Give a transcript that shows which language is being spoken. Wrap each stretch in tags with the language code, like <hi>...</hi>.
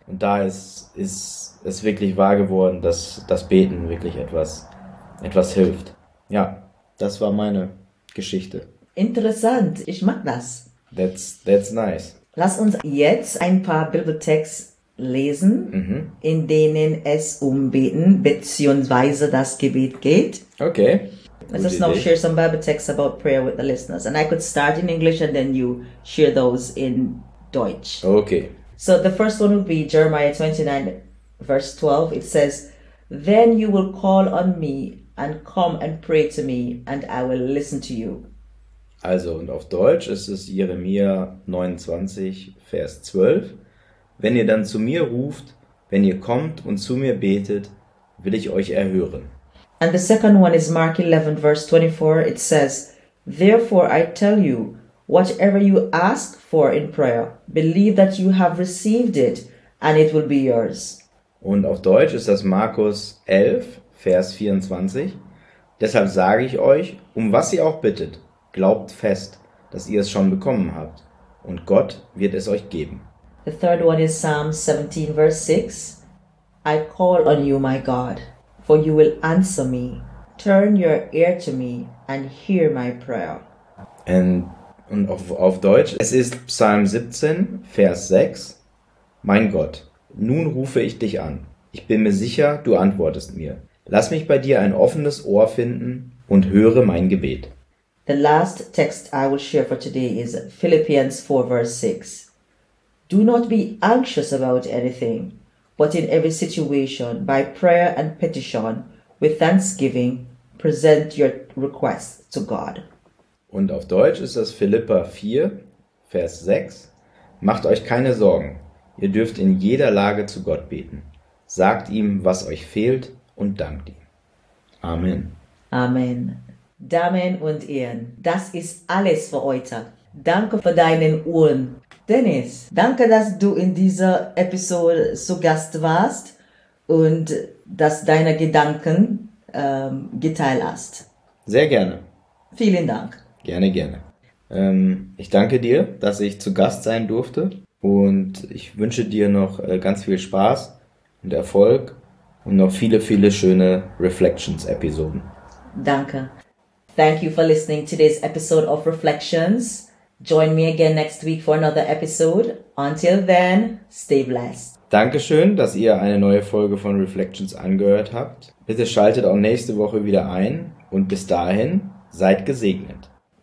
<de>Und da ist es wirklich wahr geworden, dass das Beten wirklich etwas hilft. Ja, das war meine Geschichte. Interessant, ich mag das.</de> <en>That's nice.</en> <de>Lass uns jetzt ein paar Bibeltexte lesen, in denen es um Beten bzw. das Gebet geht.</de> <en>Okay. Let us now share some Bible texts about prayer with the listeners. And I could start in English and then you share those in Deutsch. Okay. So the first one would be Jeremiah 29, verse 12. It says, "Then you will call on me and come and pray to me and I will listen to you."</en> <de>Also, und auf Deutsch ist es Jeremia 29, Vers 12. "Wenn ihr dann zu mir ruft, wenn ihr kommt und zu mir betet, will ich euch erhören."</de> <en>And the second one is Mark 11, verse 24. It says, "Therefore I tell you, whatever you ask for in prayer, believe that you have received it, and it will be yours."</en> <de>Und auf Deutsch ist das Markus 11, Vers 24. "Deshalb sage ich euch, um was ihr auch bittet, glaubt fest, dass ihr es schon bekommen habt, und Gott wird es euch geben."</de> <en>The third one is Psalm 17, verse 6. "I call on you, my God, for you will answer me. Turn your ear to me and hear my prayer."</en> <de>Und auf Deutsch, es ist Psalm 17, Vers 6. "Mein Gott, nun rufe ich dich an. Ich bin mir sicher, du antwortest mir. Lass mich bei dir ein offenes Ohr finden und höre mein Gebet."</de> <en>The last text I will share for today is Philippians 4, verse 6. "Do not be anxious about anything, but in every situation, by prayer and petition, with thanksgiving, present your requests to God."</en> <de>Und auf Deutsch ist das Philippa 4, Vers 6. "Macht euch keine Sorgen. Ihr dürft in jeder Lage zu Gott beten. Sagt ihm, was euch fehlt, und dankt ihm." Amen. Amen. Damen und Herren, das ist alles für heute. Danke für deinen Ohren. Dennis, danke, dass du in dieser Episode zu Gast warst und dass deine Gedanken geteilt hast. Sehr gerne. Vielen Dank. Gerne, gerne. Ich danke dir, dass ich zu Gast sein durfte und ich wünsche dir noch ganz viel Spaß und Erfolg und noch viele, viele schöne Reflections-Episoden. Danke.</de> <en>Thank you for listening to this episode of Reflections. Join me again next week for another episode. Until then, stay blessed.</en> <de>Dankeschön, dass ihr eine neue Folge von Reflections angehört habt. Bitte schaltet auch nächste Woche wieder ein und bis dahin, seid gesegnet.</de>